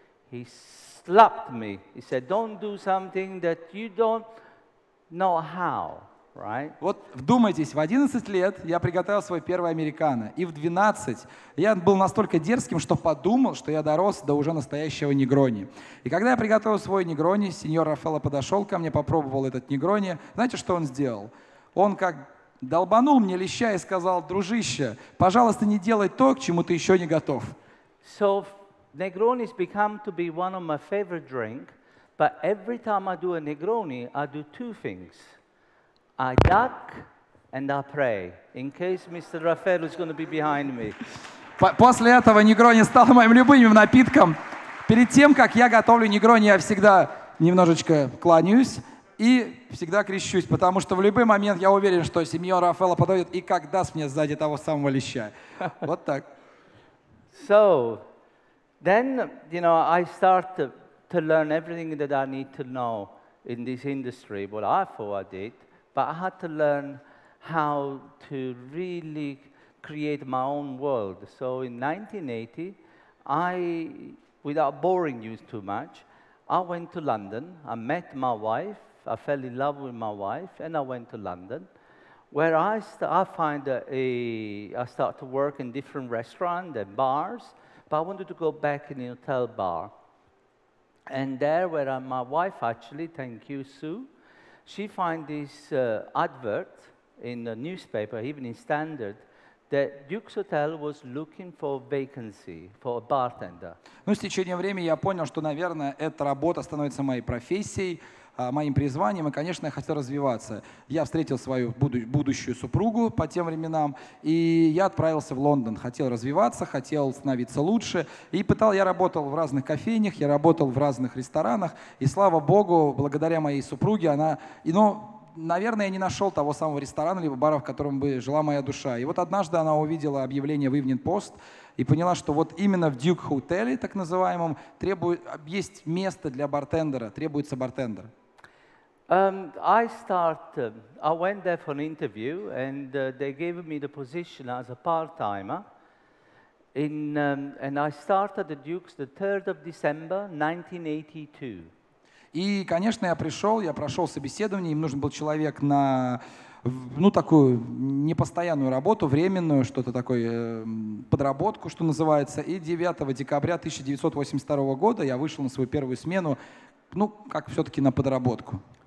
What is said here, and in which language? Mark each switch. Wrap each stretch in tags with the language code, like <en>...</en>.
<en>He slapped me. He said, don't do something that you don't know how. Right.</en> <ru>Вот вдумайтесь, в 11 лет я приготовил свой первый американо, и в 12 я был настолько дерзким, что подумал, что я дорос до уже настоящего негрони. И когда я приготовил свой негрони, сеньор Рафаэло подошел ко мне, попробовал этот негрони. Знаете, что он сделал? Он как долбанул мне леща и сказал: дружище, пожалуйста, не делай то, к чему ты еще не готов.</ru> <en>So, Negroni has become to be one of my favorite drinks, but every time I do a Negroni, I do two things. I duck and I pray, in case Mr. Raffaello is going to be behind me.</en> <ru>После этого негрони стал моим любимым напитком. Перед тем, как я готовлю негрони, я всегда немножечко кланяюсь и всегда крещусь, потому что в любой момент я уверен, что сеньор Рафаэло подойдет и как даст мне сзади того самого леща. Вот так.</ru> <en>So, then, you know, I start to learn everything that I need to know in this industry, what I thought I did. But I had to learn how to really create my own world. So in 1980, without boring you too much, I went to London, I met my wife, I fell in love with my wife, and I went to London, where I started to work in different restaurants and bars, but I wanted to go back in the hotel bar. And there where my wife actually, thank you, Sue, she find this advert in the newspaper, even in Standard, that Duke's Hotel was looking for vacancy for a bartender.</en> <ru>Ну, с течением времени я понял, что, наверное, эта работа становится моей профессией, моим призванием, и, конечно, я хотел развиваться. Я встретил свою будущую супругу по тем временам, и я отправился в Лондон. Хотел развиваться, хотел становиться лучше. И я работал в разных кофейнях, я работал в разных ресторанах, и, слава богу, благодаря моей супруге, наверное, я не нашел того самого ресторана либо бара, в котором бы жила моя душа. И вот однажды она увидела объявление в Evening Post и поняла, что вот именно в Duke Hotel, так называемом, есть место для бартендера, требуется бартендер.</ru> <en>I went there for an interview, and they gave me the position as a part-timer. And I started the Duke's the 3rd of December, 1982.</en> <ru>И, конечно, я пришел, я прошел собеседование, им нужен был человек на, ну, такую непостоянную работу, временную, что-то такое, подработку, что называется. И 9 декабря 1982 года я вышел на свою первую смену, ну, как все-таки на подработку.</ru>